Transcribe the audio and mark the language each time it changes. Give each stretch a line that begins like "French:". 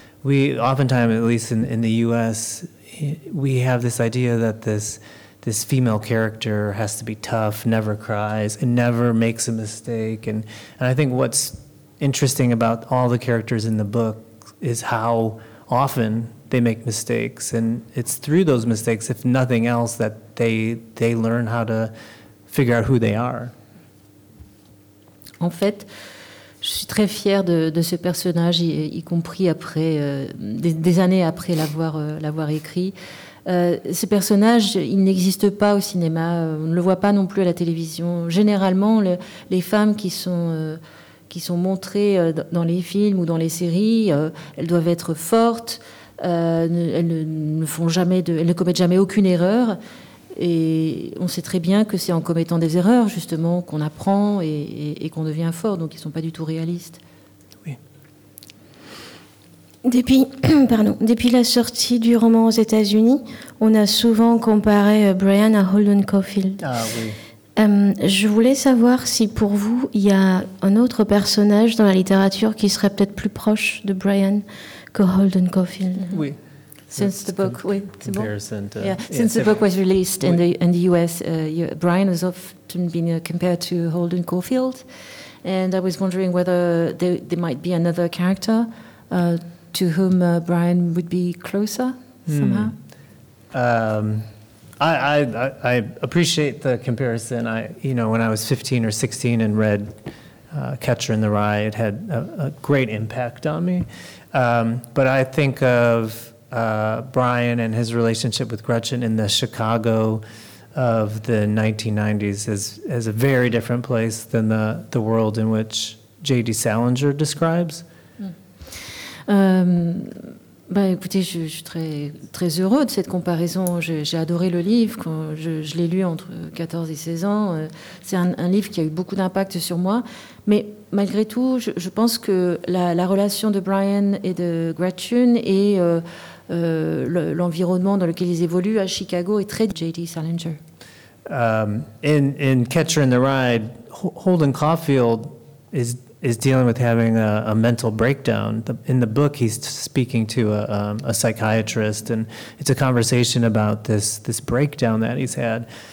English: We oftentimes, at least in the U.S., we have this idea that this female character has to be tough, never cries, and never makes a mistake. And I think what's interesting about all the characters in the book is how often they make mistakes, and it's through those mistakes, if nothing else, that they learn how to figure out who they are.
French: En fait, je suis très fière de ce personnage, y compris après des années après l'avoir écrit. Ce personnage, il n'existe pas au cinéma, on ne le voit pas non plus à la télévision. Généralement, les femmes qui sont montrées dans les films ou dans les séries, elles doivent être fortes. Elles ne commettent jamais aucune erreur, et on sait très bien que c'est en commettant des erreurs justement qu'on apprend et qu'on devient fort. Donc, ils sont pas du tout réalistes. Oui. Depuis la sortie du roman aux États-Unis, on a souvent comparé Brian à Holden Caulfield. Ah oui. Je voulais savoir si pour vous il y a un autre personnage dans la littérature qui serait peut-être plus proche de Brian que Holden Caulfield. Oui.
English: The book was released in the U.S., Brian has often been compared to Holden Caulfield, and I was wondering whether there might be another character to whom Brian would be closer somehow. I appreciate the comparison. I, you know, when I was 15 or 16 and read Catcher in the Rye, it had a great impact on me. But I think of Brian and his relationship with Gretchen in the Chicago of the 1990s as a very different place than the world in which J.D. Salinger describes.
French: Écoutez, je suis très, très heureux de cette comparaison. J'ai adoré le livre. Je l'ai lu entre 14 et 16 ans. C'est un livre qui a eu beaucoup d'impact sur moi. Mais malgré tout, je pense que la relation de Brian et de Gretchen et l'environnement dans lequel ils évoluent à Chicago est très J.D. Salinger.
English: In Catcher in the Rye, Holden Caulfield is dealing with having a mental breakdown. In the book, he's speaking to a psychiatrist, and it's a conversation about this breakdown that he's had.